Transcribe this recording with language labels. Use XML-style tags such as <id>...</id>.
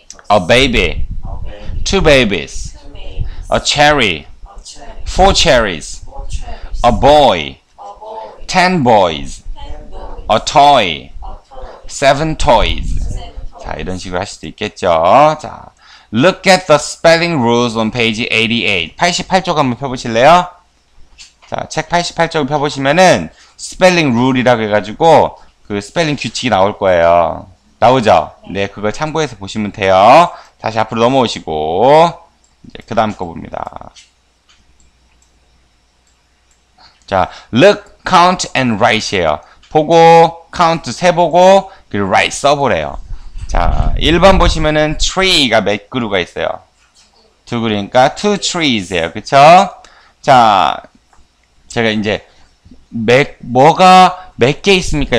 <en>a baby. two babies. a cherry. four cherries. a boy. ten boys. a toy. seven toys.</en> <ko>자, 이런 식으로 하실 수 있겠죠. 자.</ko> <en>Look at the spelling rules on page 88.</en> <ko>88쪽 한번 펴보실래요? 자, 책 88쪽을 펴보시면은 spelling rule이라고 해가지고 그 spelling 규칙이 나올 거예요. 나오죠? 네, 그걸 참고해서 보시면 돼요. 다시 앞으로 넘어오시고 이제 그 다음 거 봅니다. 자,</ko> <en>look, count, and write</en> <ko>이에요. 보고, count 세보고, 그리고 write 써보래요. 자, 1번 보시면은 tree가 몇 그루가 있어요? 두 그루니까</ko> <en>two trees</en> <ko>예요. 그쵸? 자, 제가 이제 뭐가 몇 개 있습니까?</ko>